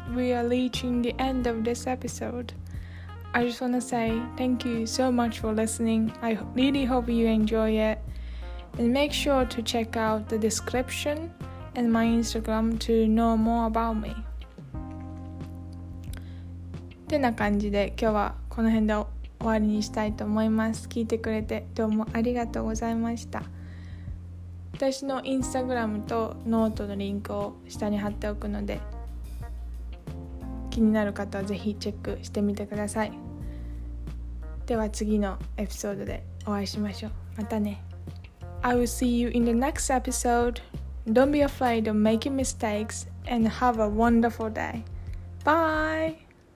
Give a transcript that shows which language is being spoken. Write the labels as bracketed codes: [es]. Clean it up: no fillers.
[en] We are reaching the end of this episode. I just want to say thank you so much for listening. I really hope you enjoy it. And make sure to check out the description and my Instagram to know more about me. [ja] てな感じで今日はこの辺で終わりにしたいと思います。聞いてくれてどうもありがとうございました。私のインスタグラムとノートのリンクを下に貼っておくので、気になる方はぜひチェックしてみてください。では次のエピソードでお会いしましょう。またね。 [en] I will see you in the next episode. Don't be afraid of making mistakes and have a wonderful day. Bye!